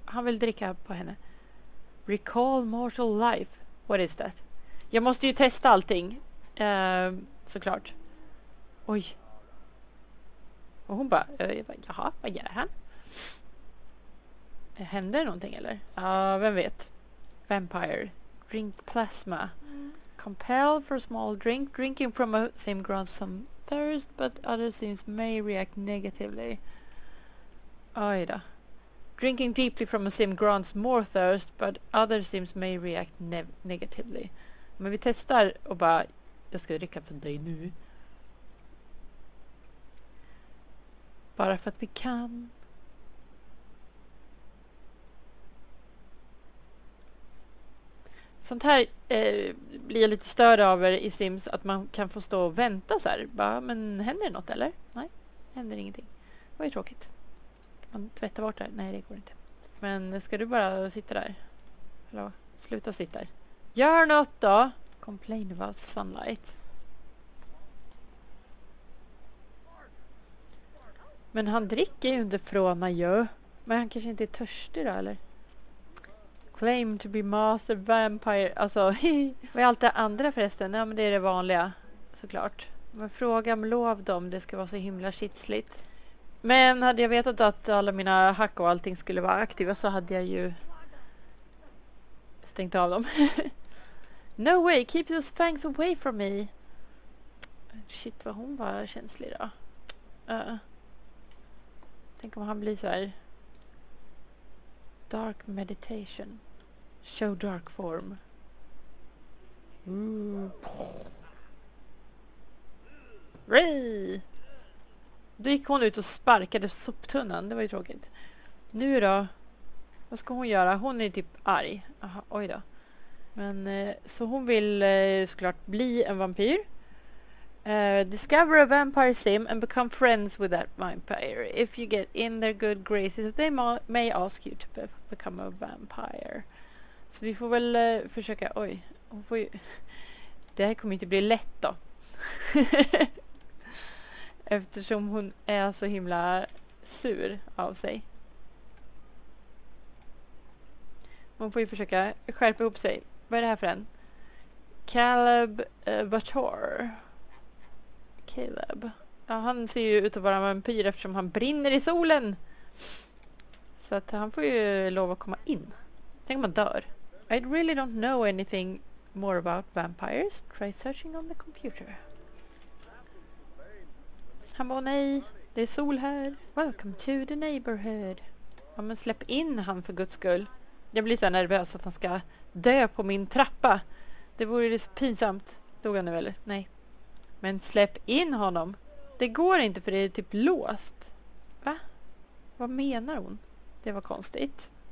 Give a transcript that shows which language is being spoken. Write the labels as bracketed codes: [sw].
[sv] Han vill dricka på henne. [en] Recall mortal life. What is that? [sv] Jag måste ju testa allting. Såklart. Oj. Och hon bara, jaha, vad gör han? Händer det någonting eller? Ja, vem vet. [en] Vampire. Drink plasma. Compel for a small drink. Drinking from a same grounds some thirst, but other sims may react negatively. [sv] Oj då. [en] Drinking deeply from a sim grounds more thirst, but other sims may react negatively. [sv] Men vi testar och bara, jag ska dricka för dig nu. Bara för att vi kan. Sånt här blir jag lite störd över i Sims, att man kan få stå och vänta så här. Bara, men händer det något eller? Nej, händer ingenting. Vad är tråkigt. Kan man tvätta bort det här? Nej, det går inte. Men ska du bara sitta där? Hallå, sluta sitta där. Gör något då! [en] Complain about sunlight. [sv] Men han dricker ju inte från adjö. Men han kanske inte är törstig då, eller? [en] Claim to be master vampire. [sv] Alltså, vad är allt det andra förresten? Ja, men det är det vanliga, såklart. Men fråga om lov dem, det ska vara så himla kitsligt. Men hade jag vetat att alla mina hack och allting skulle vara aktiva så hade jag ju stängt av dem. [en] No way, keep those fangs away from me. [sv] Shit, vad hon var känslig då. Tänk om han blir så här. [en] Dark meditation. Show dark form. Ray! [sv] Då gick hon ut och sparkade soptunnan. Det var ju tråkigt. Nu då? Vad ska hon göra? Hon är typ arg. Aha, oj då. Men så hon vill såklart bli en vampyr. [en] Discover a vampire sim and become friends with that vampire. If you get in their good graces, they may ask you to become a vampire. [sv] Så vi får väl försöka. Oj, hon får ju. Det här kommer inte bli lätt då. Eftersom hon är så himla sur av sig. Hon får ju försöka skärpa ihop sig. Vad är det här för en? Caleb Bator. Caleb. Ja, han ser ju ut att vara en vampyr eftersom han brinner i solen. Så att han får ju lov att komma in. Tänk om han dör. [en] I really don't know anything more about vampires. Try searching on the computer. [sv] Han bara, nej, det är sol här. [en] Welcome to the neighborhood. [sv] Ja, men släpp in han för guds skull. Jag blir så nervös att han ska dö på min trappa. Det vore ju så pinsamt. Dog han nu eller? Nej. Men släpp in honom. Det går inte för det är typ låst. Va? Vad menar hon? Det var konstigt.